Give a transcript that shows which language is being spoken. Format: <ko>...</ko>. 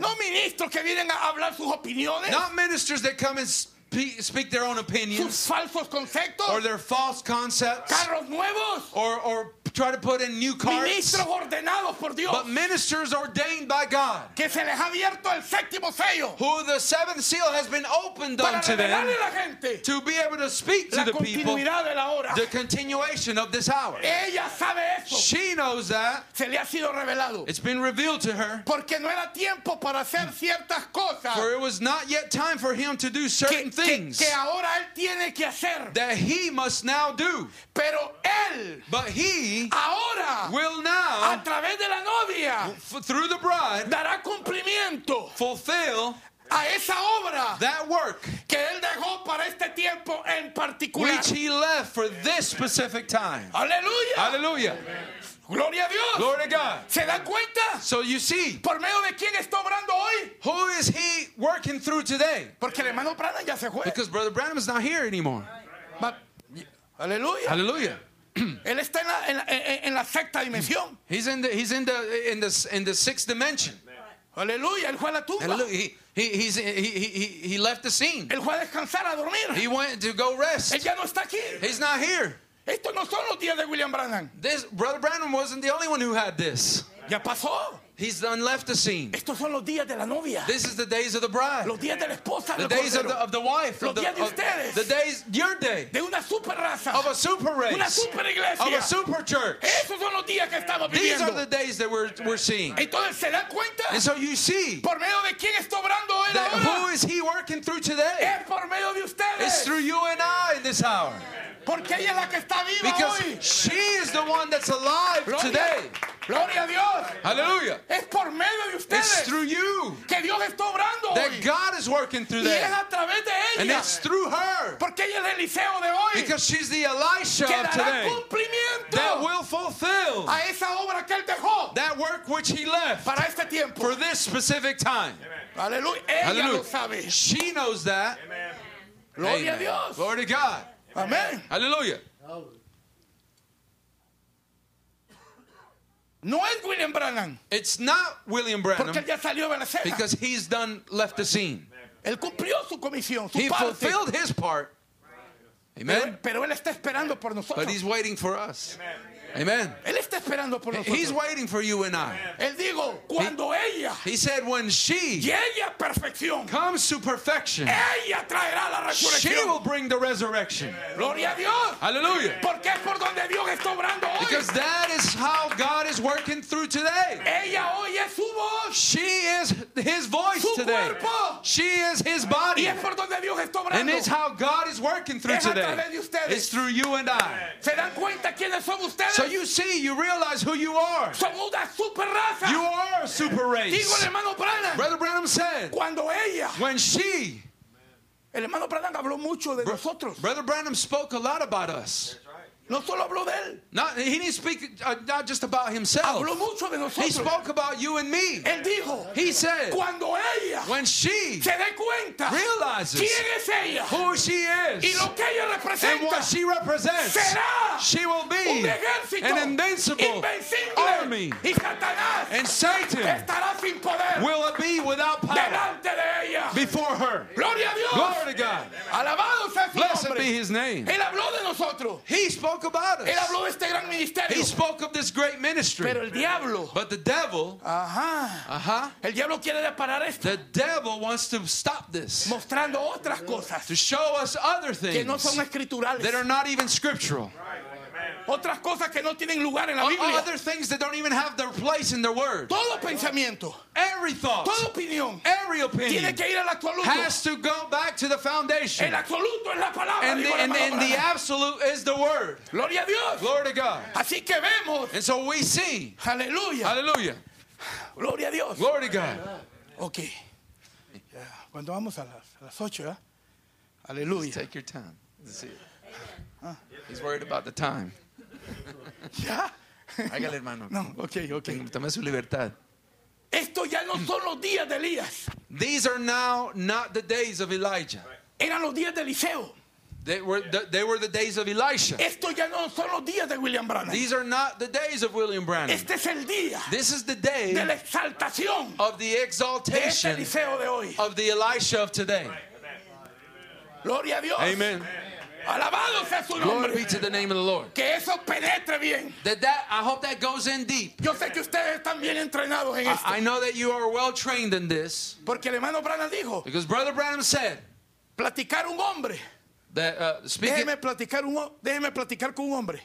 <es>No ministros que vienen a hablar sus opiniones.</es> <en>Not ministers that come and speak their own opinions.</en> <es>Sus falsos conceptos.</es> <en>Or their false concepts.</en> <es>Carros nuevos.</es> <en>Or try to put in new cars.</en> <es>Ministros ordenados por Dios.</es> <en>But ministers ordained by God.</en> <es>Que se les ha abierto el séptimo sello.</es> <en>Who the seventh seal has been opened</en> <es>para</es> <en>unto them.</en> <es>Para revelarle a la gente.</es> <en>To be able to speak to</en> <es>la</es> <en>the people.</en> <es>La continuidad de la hora.</es> <en>The continuation of this hour.</en> <es>Ella sabe eso.</es> <en>She knows that.</en> <es>Se le ha sido revelado.</es> <en>It's been revealed to her.</en> <es>Porque no era tiempo para hacer ciertas cosas.</es> <en>For it was not yet time for him to do certain things.</en> <es>Que ahora él tiene que hacer.</es> <en>That he must now do.</en> <es>Pero él.</es> <en>But he.</en> <es>Ahora,</es> <en>will now</en> <es>a través de la novia,</es> <en>through the bride</en> <es>dará cumplimiento,</es> <en>fulfill</en> <es>a esa obra,</es> <en>that work</en> <es>que él dejó para este tiempo en particular,</es> <en>which he left for this specific time.</en> <es>Aleluya. Aleluya. Gloria a Dios.</es> <en>Glory to God.</en> <es>¿Se dan cuenta?</es> <en>So you see,</en> <es>por medio de quién está obrando hoy?</es> <en>Who is he working through today?</en> <es>Porque el hermano Branham ya se fue.</es> <en>Because Brother Branham is not here anymore.</en> <es>Aleluya. Aleluya. Él está en la sexta dimensión.</es> <en>He's in the sixth dimension.</en> <es>Aleluya, él fue a la tumba.</es> <en>He left the scene.</en> <es>Él fue a descansar, a dormir.</es> <en>He went to go rest.</en> <es>Él ya no está aquí.</es> <en>He's not here.</en> <es>Estos no son los días de William Branham.</es> <en>This Brother Branham wasn't the only one who had this.</en> <es>Ya pasó.</es> <en>He's done left the scene.</en> <es>Estos son los días de la novia.</es> <en>This is the days of the bride.</en> <es>Los días de la esposa,</es> <en>the days of the wife.</en> <es>Los días de ustedes.</es> <en>The days, your day.</en> <es>De una super raza.</es> <en>Of a super race.</en> <es>Una super iglesia.</es> <en>Of a super church.</en> <es>Esos son los días que estamos viviendo.</es> <en>These are the days that we're seeing.</en> <es>Entonces, ¿se dan cuenta?</es> <en>And so you see.</en> <es>Por medio de quién está obrando él ahora?</es> <en>Who is he working through today?</en> <es>Es por medio de ustedes.</es> <en>It's through you and I in this hour.</en> <es>Porque ella es la que está viva</es> <en>because</en> <es>hoy.</es> <en>She is the one that's alive</en> <es>Gloria.</es> <en>Today.</en> <es>Gloria a Dios.</es> <en>Hallelujah.</en> <es>Es por medio de ustedes.</es> <en>It's through you.</en> <es>Que Dios está obrando</es> <en>that</en> <es>hoy.</es> <en>God is working through them.</en> <es>Y es a través de ella.</es> <en>And it's through her.</en> <es>Porque ella es el Eliseo de hoy.</es> <en>Because she's the Elisha</en> <es>que</es> <en>of today.</en> <es>Cumplimiento</es> <en>that will fulfill</en> <es>a esa obra que él dejó</es> <en>that work which he left</en> <es>para este tiempo.</es> <en>For this specific time.</en> <es>Hallelujah. Ella lo sabe.</es> <en>She knows that. Amen.</en> <es>Gloria Amen. A Dios.</es> <en>Glory to God. Amen. Hallelujah.</en> <es>No es William Branham.</es> <en>It's not William Branham.</en> <es>Porque él ya salió de la escena.</es> <en>Because he's done left the scene.</en> <es>Él cumplió su comisión, su</es> <en>he</en> <es>parte.</es> <en>Fulfilled his part. Amen.</en> <es>Pero él está esperando por nosotros.</es> <en>But he's waiting for us. Amen. Amen.</en> <es>Él está esperando por nosotros.</es> <en>He's waiting for you and I.</en> <es>Él dijo, cuando ella.</es> <en>He said when she.</en> <es>Llegue a perfección.</es> <en>Comes to perfection.</en> <es>Ella traerá la resurrección.</es> <en>She will bring the resurrection.</en> <es>Gloria a Dios.</es> <en>Hallelujah.</en> <es>Porque es por donde Dios está obrando hoy.</es> <en>Because that is how God is is working through today.</en> <es>Ella oye su voz.</es> <en>She is his voice</en> <es>su</es> <en>today.</en> <es>Cuerpo.</es> <en>She is his body.</en> <es>Y es por donde Dios está obrando.</es> <en>And it's how God is working through</en> <es>es</es> <en>today.</en> <es>A través de ustedes.</es> <en>It's through you and I.</en> <es>¿Se dan cuenta quiénes son ustedes?</es> <en>So you see, you realize who you are.</en> <es>Son una super raza.</es> <en>You are a super race.</en> <es>Digo el hermano Branham.</es> <en>Brother Branham said,</en> <es>cuando ella,</es> <en>when she,</en> <es>el hermano Branham habló mucho de nosotros.</es> <en>Brother Branham spoke a lot about us.</en> <es>No solo habló de él.</es> <en>He didn't speak not just about himself.</en> <es>Habló mucho de nosotros.</es> <en>He spoke about you and me.</en> <es>Él dijo,</es> <en>he said,</en> <es>cuando ella,</es> <en>when she</en> <es>se dé cuenta,</es> <en>realizes</en> <es>quién es ella,</es> <en>who she is</en> <es>y lo que ella representa,</es> <en>and what she represents,</en> <es>será</es> <en>she will be</en> <es>un ejército,</es> <en>an invincible</en> <es>invencible</es> <en>army.</en> <es>Y Satanás,</es> <en>and Satan</en> <es>estará sin poder,</es> <en>will it be without power</en> <es>delante de ella,</es> <en>before her.</en> <es>Gloria a Dios.</es> <en>Glory to God.</en> <es>Alabado sea su</es> <en>blessed</en> <es>nombre.</es> <en>Be his name.</en> <es>Él habló de nosotros.</es> <en>He spoke about us.</en> <es>Él habló de este gran ministerio.</es> <en>He spoke of this great ministry.</en> <es>Pero el diablo,</es> <en>but the devil,</en> <es>el diablo quiere parar esto.</es> <en>The devil wants to stop this.</en> <es>Mostrando otras cosas,</es> <en>to show us other things</en> <es>que no son escriturales,</es> <en>that are not even scriptural.</en> <es>Otras cosas que no tienen lugar en la Biblia.</es> <en>Other things that don't even have their place in their word.</en> <es>Todo pensamiento,</es> <en>every thought,</en> <es>toda opinión,</es> <en>every opinion,</en> <es>tiene que ir al absoluto,</es> <en>has to go back to the foundation.</en> <es>El absoluto es la palabra,</es> <en>and the, and the absolute is the word.</en> <es>Gloria a Dios.</es> <en>Glory to God.</en> <es>Así que vemos,</es> <en>and so we see. Hallelujah. Hallelujah.</en> <es>Gloria a Dios.</es> <en>Glory to God. Okay.</en> <es>Cuando vamos a las ocho, ¿eh?</es> <en>Hallelujah. Just take your time. Let's see. He's worried about the time.</en> <es>Ya. Hágale, hermano.</es> <en>No, okay, okay.</en> <es>Tome su libertad. Esto ya no son los días de Elías.</es> <en>These are now not the days of Elijah.</en> <es>Eran los días de Eliseo.</es> <en>They were the days of Elisha.</en> <es>Esto ya no son los días de William Branham.</es> <en>These are not the days of William Branham.</en> <es>Este es el día.</es> <en>This is the day</en> <es>de la exaltación.</es> <en>Of the exaltation.</en> <es>De este Eliseo de hoy.</es> <en>Of the Elisha of today.</en> <es>Gloria a Dios.</es> <en>Amen.</en> <es>Alabado sea su nombre.</es> <en>Glory be to the name of the Lord.</en> <es>Que eso penetre bien.</es> <en>That I hope that goes in deep.</en> <es>Yo sé que ustedes están bien entrenados en esto.</es> <en>I know that you are well trained in this.</en> <es>Porque el hermano Branham dijo.</es> <en>Because Brother Branham said.</en> <es>Platicar un hombre. Déjeme platicar con un hombre.</es>